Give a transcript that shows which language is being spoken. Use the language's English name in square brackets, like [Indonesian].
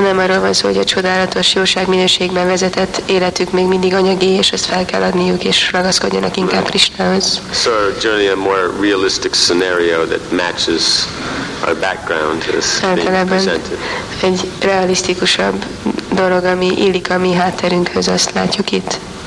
[Hungarian] Szerintem arról van szó, hogy a csodálatos jóság minőségben vezetett életük még mindig anyagi, és ezt fel kell adniuk, és ragaszkodjanak inkább Krishnához. [English] So generally a more realistic scenario that matches our background is presented. [Hungarian] Egy realisztikusabb dolog, ami illik a mi hátterünkhöz, azt látjuk itt.